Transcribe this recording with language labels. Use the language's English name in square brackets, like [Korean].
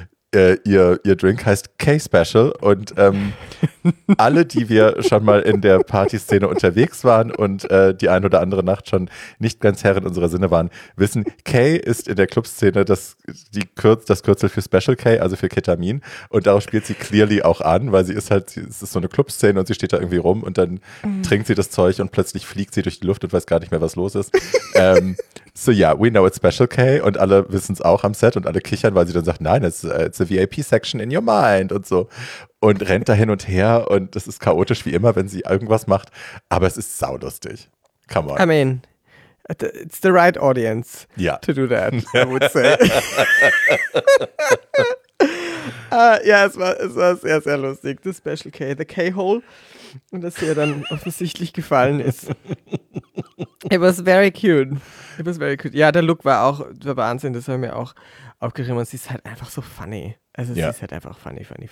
[German] Ihr Drink heißt K-Special und alle, die wir schon mal in der Partyszene unterwegs waren und die ein oder andere Nacht schon nicht ganz Herr in unserer Sinne waren, wissen, K ist in der Clubszene das Kürzel für Special K, also für Ketamin, und darauf spielt sie clearly auch an, weil sie ist halt, es ist so eine Clubszene und sie steht da irgendwie rum und dann trinkt sie das Zeug und plötzlich fliegt sie durch die Luft und weiß gar nicht mehr, was los ist. So ja, [English] yeah, we know it's Special K [German] und alle wissen es auch am Set und alle kichern, weil sie dann sagt, nein, [English] it's a VIP-Section in your mind [German] und so. Und rennt da hin und her und es ist chaotisch wie immer, wenn sie irgendwas macht, aber es ist saulustig. [English] Come on. I mean, it's the right audience to do that, I would say. [German] Ja, es war sehr, sehr lustig. Das Special K, the K-Hole. Und dass ihr dann offensichtlich gefallen ist. [English] It was very cute. [German] Ja, der Look war Wahnsinn. Das haben wir auch aufgerieben. Und sie ist halt einfach so funny. Also sie ist halt einfach funny.